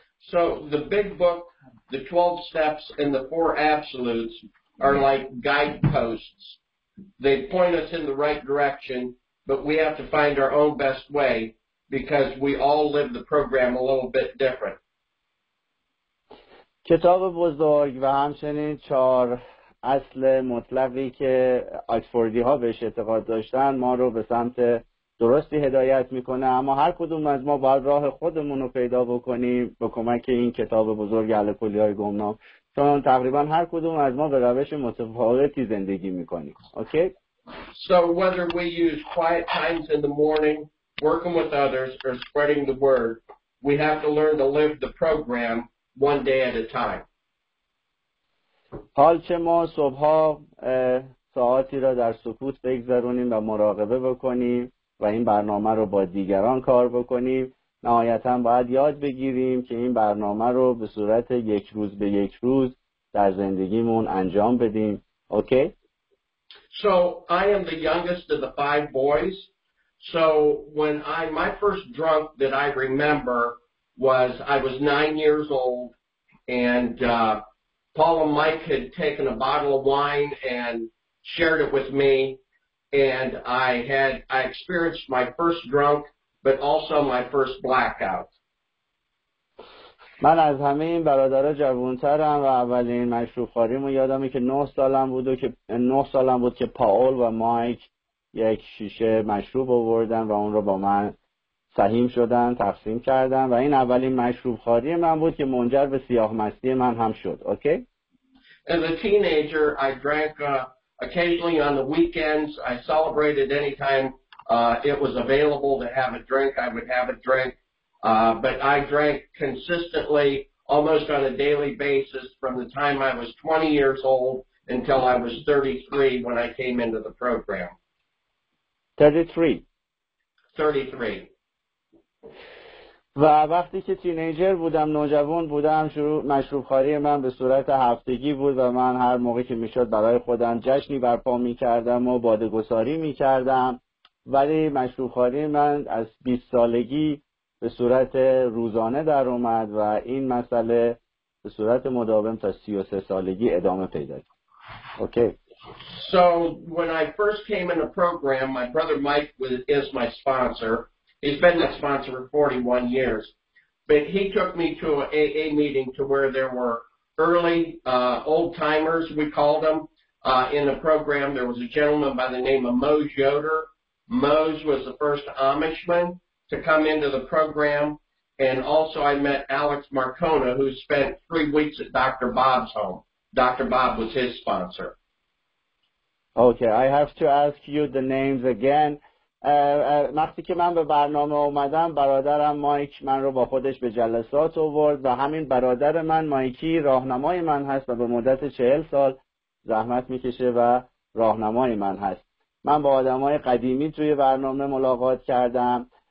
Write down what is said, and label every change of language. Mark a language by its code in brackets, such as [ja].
[en] So the big book, the 12 steps and the 4 absolutes are like guideposts. They point us in the right direction, but we have to find our own best way because we all live the program a little bit different. [fa] کتاب بزرگ و همچنین 4 اصل مطلقی که آکسفوردی ها بهش اعتقاد داشتن ما رو به سمت درستی هدایت میکنه، اما هر کدوم از ما باید راه خودمون رو پیدا بکنیم با کمک این کتاب بزرگ الکلی های گمنام، چون تقریبا هر کدوم از ما به روش متفاوتی زندگی میکنیم. [en] Okay? So whether we use quiet times in the morning, working with others, or spreading the word, we have to learn to live the program one day at a time. [fa] حال چه ما صبح‌ها ساعاتی را در سکوت بگذرونیم و مراقبه بکنیم و این برنامه رو با دیگران کار بکنیم، نهایتاً باید یاد بگیریم که این برنامه رو به صورت یک روز به یک روز در زندگیمون انجام بدیم. [en] Okay? So I am the youngest of the 5 boys. So when my first drunk that I remember was I was 9 years old, and Paul and Mike had taken a bottle of wine and shared it with me, and I experienced my first drunk, but also my first blackout. [fa] من از همه این برادرها جوان‌ترم و اولین مشروب‌خوریمو یادمه که 9 سالم بود که پاول و مایک یک شیشه مشروب آوردن و اون رو با من سهیم شدن، تقسیم کردن، و این اولین مشروب‌خوری من بود که منجر به سیاه‌مستی من هم شد. [en] Okay? As a teenager, I drank occasionally on the weekends. I celebrated any time it was available to have a drink, I would have a drink. But I drank consistently, almost on a daily basis, from the time I was 20 years old until I was 33 when I came into the program. 33. [fa] و وقتی که تینیجر بودم، نوجوان بودم، شروع مشروبخوری من به صورت هفتگی بود و من هر موقع که میشد برای خودم جشنی برپا میکردم و بادگساری میکردم، ولی مشروبخوری من از 20 سالگی به صورت روزانه در اومد و این مسئله به صورت مداوم تا 33 سالگی ادامه پیدا کرد. [en] Okay. So when I first came in the program, my brother Mike is my sponsor. He's been that sponsor for 41 years, but he took me to an AA meeting to where there were early old-timers, we called them, in the program. There was a gentleman by the name of Mose Yoder. Mose was the first Amishman to come into the program. And also I met Alex Marcona, who spent 3 weeks at Dr. Bob's home. Dr. Bob was his sponsor. Okay, I have to ask you the names again. [fa] وقتی که من به برنامه اومدم برادرم مایک من رو با خودش به جلسات آورد و همین برادر من مایکی راهنمای من هست و به مدت 40 سال زحمت میکشه و راهنمای من هست. من با آدمای قدیمی توی برنامه ملاقات کردم.